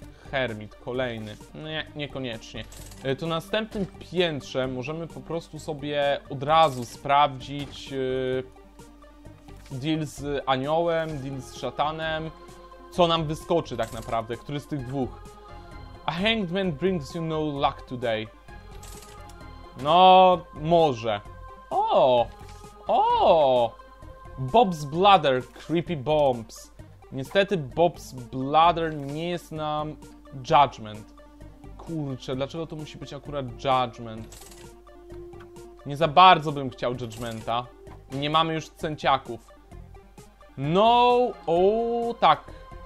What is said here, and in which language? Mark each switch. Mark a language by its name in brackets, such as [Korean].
[Polish] Hermit, kolejny. Nie, niekoniecznie. To na następnym piętrze możemy po prostu sobie od razu sprawdzić deal z aniołem, deal z szatanem. Co nam wyskoczy tak naprawdę? Który z tych dwóch? [English] A hanged man brings you no luck today. [Polish] No, może. O! O! [English] Bob's Bladder, creepy bombs. [Polish] Niestety Bob's Bladder nie jest nam... Judgment. Kurczę, dlaczego to musi być akurat Judgment? Nie za bardzo bym chciał Judgmenta. Nie mamy już cęciaków. No, o tak.